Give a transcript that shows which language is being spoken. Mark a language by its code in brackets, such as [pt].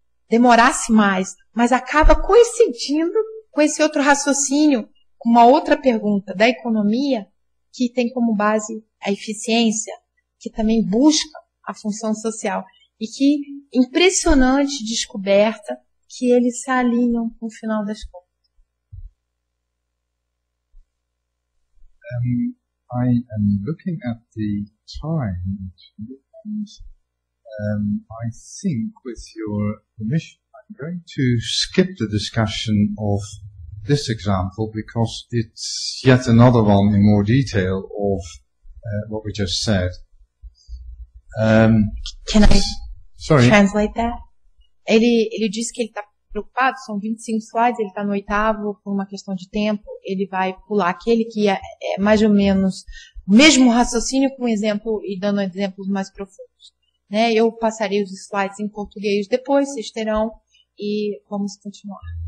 [pt] demorasse mais, mas acaba coincidindo com esse outro raciocínio, com uma outra pergunta da economia que tem como base a eficiência, que também busca a função social e que impressionante descoberta que eles se alinham no final das contas. [en] I am looking at the time, and I think, with your permission, I'm going to skip the discussion of this example because it's yet another one in more detail of what we just said. Translate that? [pt] Ele disse que ele está preocupado, são 25 slides, ele está no oitavo, por uma questão de tempo, ele vai pular aquele que é mais ou menos o mesmo raciocínio com exemplo e dando exemplos mais profundos. Né? Eu passarei os slides em português depois, vocês terão, e vamos continuar.